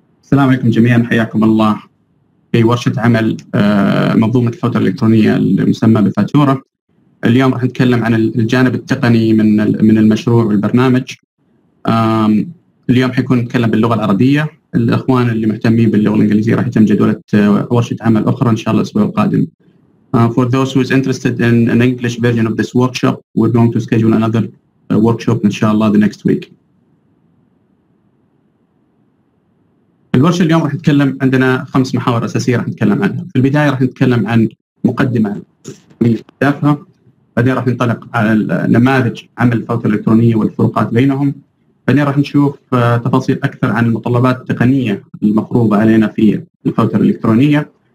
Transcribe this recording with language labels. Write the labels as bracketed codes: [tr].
[ar] السلام عليكم جميعا، حياكم الله في ورشة عمل منظومة الفاتورة الإلكترونية المسمى بفاتورة. اليوم راح نتكلم عن الجانب التقني من المشروع والبرنامج. اليوم حيكون نتكلم باللغة العربية. الأخوان اللي مهتمين باللغة الإنجليزية راح يتم جدولة ورشة عمل أخرى إن شاء الله الأسبوع القادم. [en] For those who is interested in an English version of this workshop, we're going to schedule another workshop [ar] إن شاء الله [en] the next week. [ar] الورشة اليوم راح نتكلم، عندنا خمس محاور أساسية راح نتكلم عنها. في البداية راح نتكلم عن مقدمة أهدافها، بعدين راح ننطلق على نماذج عمل الفاتورة الإلكترونية والفروقات بينهم، بعدين راح نشوف تفاصيل أكثر عن المتطلبات التقنية المفروضة علينا في الفاتورة الإلكترونية.